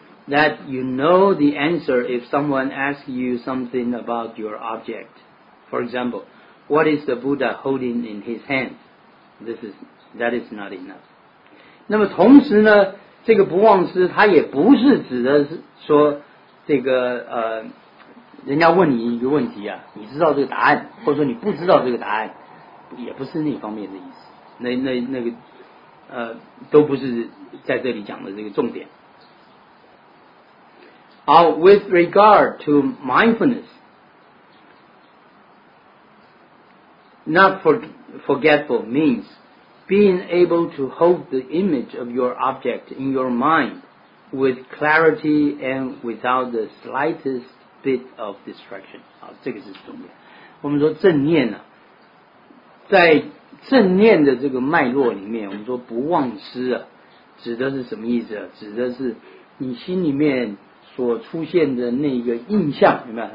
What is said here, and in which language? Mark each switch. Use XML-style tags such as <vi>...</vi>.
<en>That you know the answer if someone asks you something about your object. For example, what is the Buddha holding in his hand? That is not enough.</en> <zh>那么同时呢，这个不忘失它也不是指的是说这个人家问你一个问题啊，你知道这个答案，或者说你不知道这个答案，也不是那方面的意思。那个都不是在这里讲的这个重点。</zh> <en>好 with regard to mindfulness, not forgetful means being able to hold the image of your object in your mind with clarity and without the slightest bit of distraction.</en> <zh>好，这个是重点。我们说正念呢，在正念的这个脉络里面，我们说不忘失啊，指的是什么意思啊？指的是你心里面。所出现的那个印象，明白？</zh>